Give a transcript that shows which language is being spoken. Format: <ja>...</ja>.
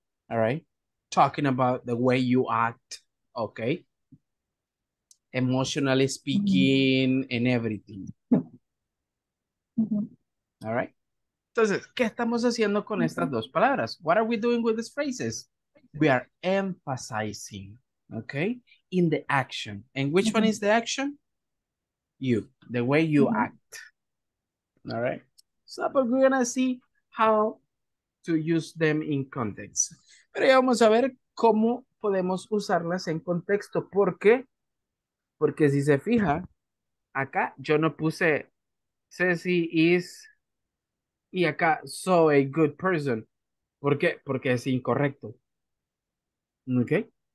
<en>All right, talking about the way you act, okay, emotionally speaking, mm-hmm. and everything. Mm-hmm.</en> <es>All right, entonces, ¿qué estamos haciendo con mm-hmm. estas dos palabras?</es> <en>What are we doing with these phrases? We are emphasizing, okay, in the action. And which mm-hmm. one is the action? You, the way you mm-hmm. act. All right, so but we're gonna see how to use them in context.</en> <es>Pero ya vamos a ver cómo podemos usarlas en contexto. ¿Por qué? Porque si se fija, acá yo no puse Ceci is y acá</es> <en>so a good person.</en> <es>¿Por qué? Porque es incorrecto. ¿Ok?</es>